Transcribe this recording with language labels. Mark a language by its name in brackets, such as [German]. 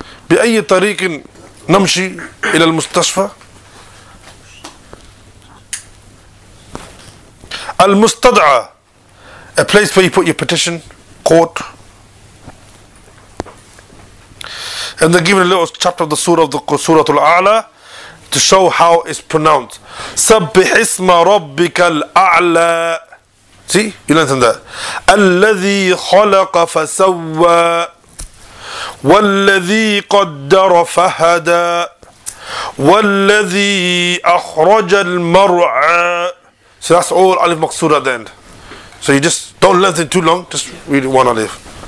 [Arabic] بأي طريق نمشي إلى المستشفى؟ المستدعى, [English] a place where you put your petition, court. And they're given a little chapter of the surah, of the surah al-A'la, to show how it's pronounced. [Arabic] سبح اسم ربك الأعلى. [English] See, you learn that. [Arabic] الذي خلق فسوى والذي قدر فهدى والذي أخرج المرعى. [English] So that's all alif maqsoora at the end. So you just don't lengthen too long, just read one alif.